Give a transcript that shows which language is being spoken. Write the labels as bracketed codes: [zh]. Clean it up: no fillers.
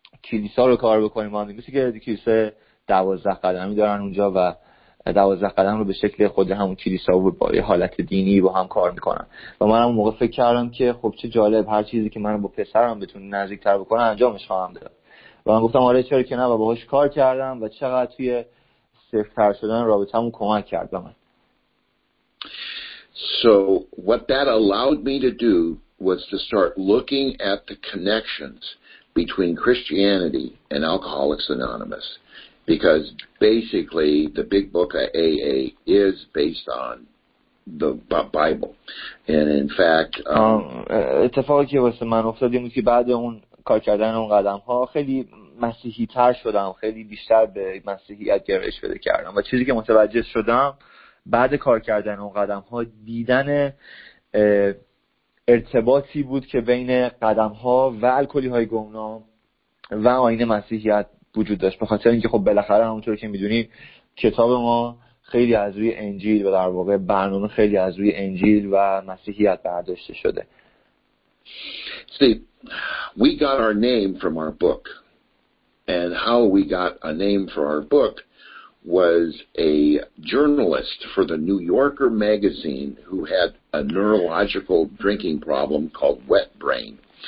[fa] کلیسا رو کار بکنیم؟ من میگم که کلیسا 12 قدمی دارن اونجا و 12 قدم رو به شکل خود همون کلیسا و با حالت دینی با هم کار میکنن. و منم اون موقع فکر کردم که خب چه جالب، هر چیزی که من با پسرم بتونم نزدیک‌تر بکنم انجامش خواهم داد. و من گفتم آره چرا که نه، و باهاش کار کردم و چقدر توی صفرتر شدن رابطه‌مون کمک کرد به من. [en] So what that allowed me to do was to start looking at the connections between Christianity and Alcoholics Anonymous, because basically the big book of AA is based on the Bible. And in fact [fa] اتفاقی که واسه من افتاد این بود که بعد اون کار کردن اون قدم ها خیلی مسیحی تر شدم، خیلی بیشتر به مسیحیت گرایش پیدا کردم و چیزی که متوجه شدم بعد کار کردن اون قدم ها دیدن ارتباطی بود که بین قدم ها و الکلی های گمنام و آیین مسیحیت وجود داشت، بخاطر اینکه خب بالاخره همونطور که میدونید کتاب ما خیلی از روی انجیل و در واقع برنامه خیلی از روی انجیل و مسیحیت برداشته شده. [en] See, we got our name from our book, And how we got a name for our book was a journalist for the New Yorker magazine who had a neurological drinking problem called wet brain.